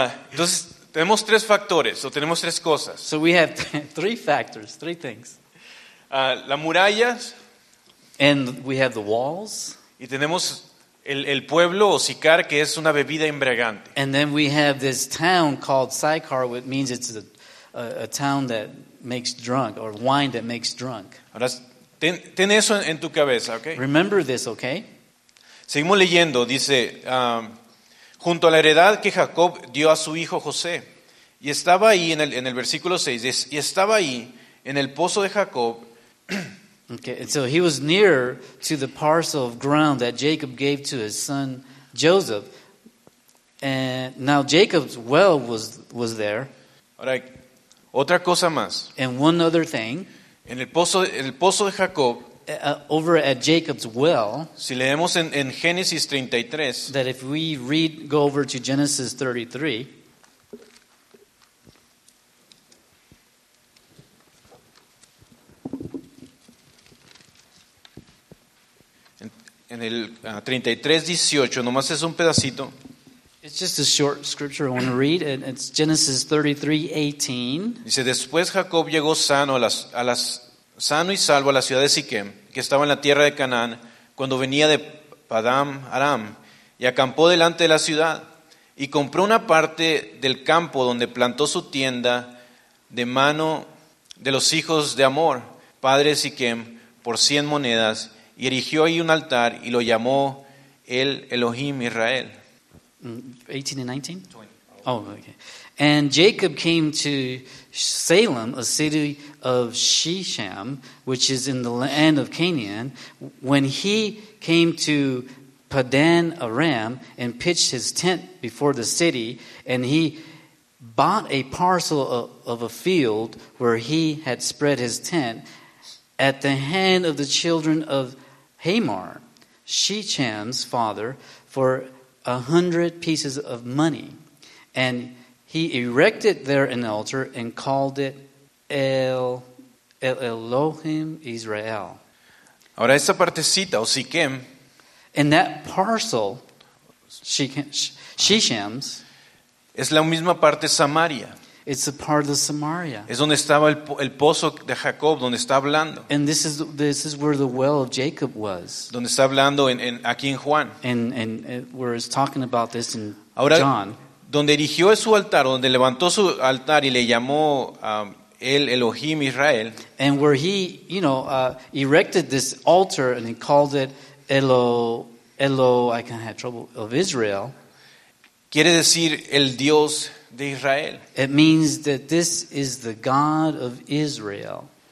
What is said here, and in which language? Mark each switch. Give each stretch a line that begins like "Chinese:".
Spanish: Entonces, tenemos tres factores, o tenemos tres cosas.
English: So we have three factors, three things.
Spanish: Las murallas.
English: And we have the walls.
Spanish: Y tenemos el pueblo, o Sicar, que es una bebida embriagante.
English: And then we have this town called Sychar, which means it's a town that makes drunk, or wine that makes drunk.
Spanish: Ahora, Ten eso en tu cabeza, ¿ok?
English: Remember this, okay?
Spanish: Seguimos leyendo, dice, junto a la heredad que Jacob dio a su hijo José, y estaba ahí en el versículo 6, y estaba ahí en el pozo de Jacob.
English: Okay, and so he was near to the parcel of ground that Jacob gave to his son Joseph, and now Jacob's well was there.
Spanish: Ahora, otra cosa más.
English: And one other thing.
Spanish: En el pozo de Jacob,
English: over at Jacob's well,
Spanish: si leemos en Génesis 33,
English: that if we read, go over to Genesis 33,
Spanish: en el 33:18, nomás es un pedacito.
English: It's just a short scripture I want to read, and it's Genesis 33:18.
Spanish: Dice, después Jacob llegó sano sano y salvo a la ciudad de Siquem, que estaba en la tierra de Canaán, cuando venía de Padam Aram, y acampó delante de la ciudad, y compró una parte del campo donde plantó su tienda de mano de los hijos de Amor, padre de Siquem, por 100 monedas, y erigió ahí un altar, y lo llamó el Elohim Israel.
English: 18 and 19? 20. Oh, okay. And Jacob came to Salem, a city of Shechem, which is in the land of Canaan, when he came to Padan Aram and pitched his tent before the city, and he bought a parcel of a field where he had spread his tent at the hand of the children of Hamor, Shechem's father, for 100 pieces of money. And he erected there an altar and called it El Elohim Israel.
Spanish: Ahora esa partecita, o Siquem,
English: and that parcel, Shechem's,
Spanish: es la misma parte Samaria.
English: It's a part of Samaria.
Spanish: Es donde estaba el pozo de Jacob, donde está hablando.
English: And this is where the well of Jacob was.
Spanish: Donde está hablando en aquí en Juan.
English: And where it's talking about this in
Spanish: ahora,
English: John.
Spanish: Donde erigió su altar, donde levantó su altar y le llamó el Elohim Israel.
English: And where he, you know, erected this altar and he called it I can have trouble of Israel.
Spanish: Quiere decir el Dios de Israel.
English: It means that this is the God of Israel.